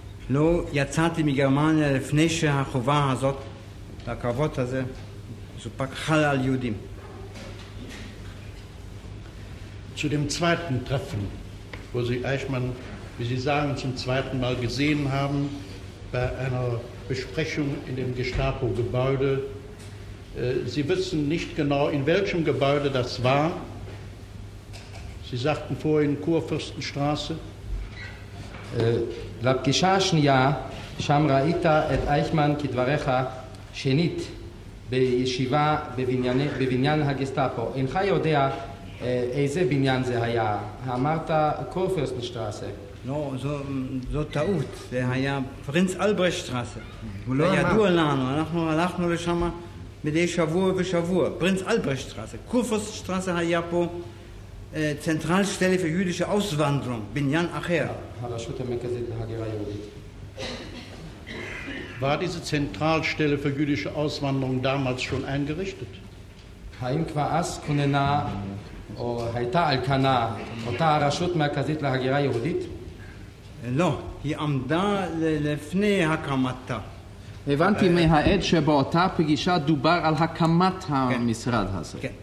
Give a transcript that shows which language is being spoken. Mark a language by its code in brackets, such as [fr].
[he] לא יצאתי מגרמניה לפני שהחובה הזאת, הכבוד הזה, סופק חל על יהודים. [de] Zu dem zweiten Treffen, wo Sie Eichmann, wie Sie sagen, zum zweiten Mal gesehen haben, bei einer Besprechung in dem Gestapo-Gebäude. Sie wissen nicht genau, in welchem Gebäude das war. Sie sagten vorhin Kurfürstenstraße. [he] לפגישה השנייה, שם ראית את אייכמן כדבריך שנית בישיבה בבניין הגסטאפו. אינך יודע איזה בניין זה היה. אמרת קורפירסטנשטראסה. לא, זו טעות. זה היה פרינץ אלברשטראסה. הוא לא אמר. ידוע לנו, אנחנו הלכנו לשם מדי שבוע ושבוע. פרינץ אלברשטראסה. קורפירסטנשטראסה היה פה צנטרלשטלה פי יודישה אוסוונדרום, בניין אחר. הרשות המרכזית להגירה יהודית. [de] War diese Zentralstelle für jüdische Auswanderung damals schon eingerichtet? [he] האם כבר אז כוננה או הייתה על כנה אותה הרשות המרכזית להגירה יהודית? לא, היא עמדה לפני הקמתה. הבנתי מהעד שבאותה פגישה דובר על הקמת המשרד הזה.